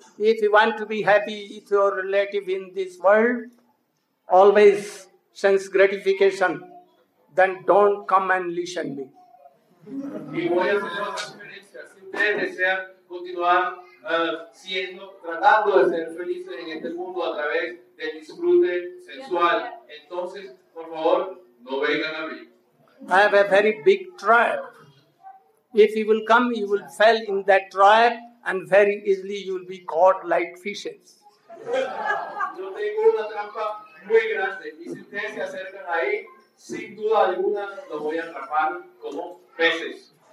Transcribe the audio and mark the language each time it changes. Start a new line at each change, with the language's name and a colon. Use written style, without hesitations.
English: If you want to be happy with your relative in this world, always sense gratification, then don't come and listen to me.
Spanish: Y voy a hacer una sugerencia. Si ustedes desean continuar siendo, tratando de ser felices en este mundo a través del disfrute sensual, entonces, por favor, no vengan a mí.
English: I have a very big trap. If you will come, you will fall in that trap and very easily you will be caught like fishes.
Spanish: Yo tengo una trampa muy grande y si ustedes se acercan ahí, sin duda alguna los voy a atrapar como peces.